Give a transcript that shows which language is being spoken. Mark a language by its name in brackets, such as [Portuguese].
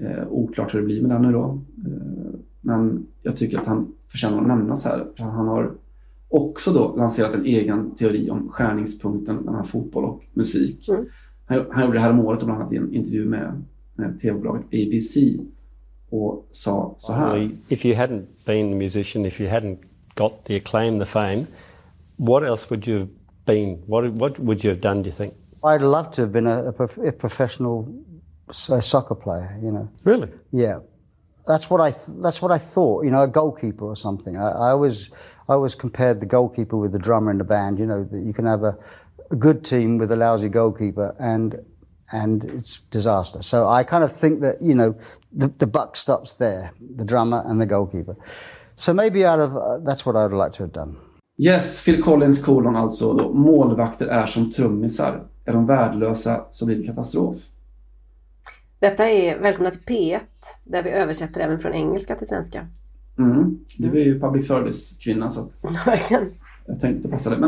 [Swedish] Oklart hur det blir med den nu då. Men jag tycker att han förtjänar att nämnas här. För han har också då lanserat en egen teori om skärningspunkten mellan fotboll och musik. Mm. Han gjorde det här om året bland annat i en intervju med tv-bolaget ABC. Och sa så här. [English] If you hadn't been a musician, if you hadn't got the acclaim, the fame, what else would you have been? What would you have done, do you think? I'd love to have been a professional soccer player, you know. Really? Yeah. That's what I thought, you know, a goalkeeper or something. I always compared the goalkeeper with the drummer in the band, you know, that you can have a good team with a lousy goalkeeper and it's disaster. So I kind of think that, you know, the buck stops there, the drummer and the goalkeeper. So maybe out of that's what I'd like to have done. [Swedish] Yes, Phil Collins colon alltså då, målvakter är som trummisar. Är de värdelösa så blir det katastrof. Detta är välkomna till P1, där vi översätter även från engelska till svenska. Mm. Du är ju public service-kvinna, så att jag tänkte passa det.